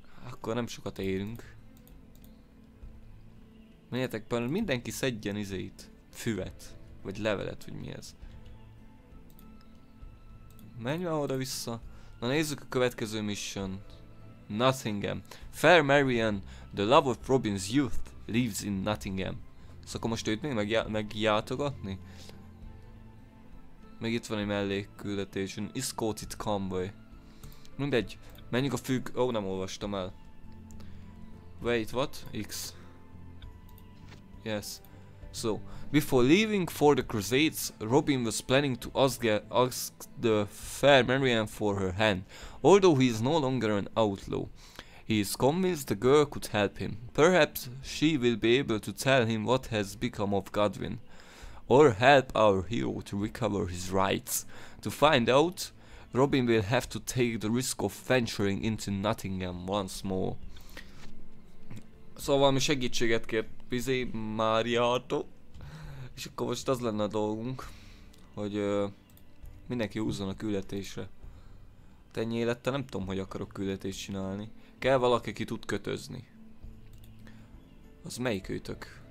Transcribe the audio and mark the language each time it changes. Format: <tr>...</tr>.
<hu>akkor nem sokat élünk. Menjetek, például mindenki szedjen izét, füvet, vagy levelet, vagy mi ez. Menj már oda-vissza. Na nézzük a következő mission. Nottingham.</hu> <en>Fair Marian, the love of Robin's youth, lives in Nottingham.</en> <hu>Szóval akkor most őt még megjátogatni? Még itt van egy mellékküldetés,</hu> <en>an escorted convoy.</en> <hu>Mindegy, menjünk a függ... Ó, nem olvastam el.</hu> <en>Wait, what? X. Yes. So, before leaving for the Crusades, Robin was planning to ask the Fair Marian for her hand. Although he is no longer an outlaw, he is convinced the girl could help him. Perhaps she will be able to tell him what has become of Godwin, or help our hero to recover his rights. To find out, Robin will have to take the risk of venturing into Nottingham once more.</en> <hu>So, valami segítséget kért. Bizé Máriától. És akkor most az lenne a dolgunk, hogy mindenki húzzon a küldetésre. Te ennyi élettel nem tudom, hogy akarok küldetést csinálni. Kell valaki, ki tud kötözni. Az melyik őtök?</hu>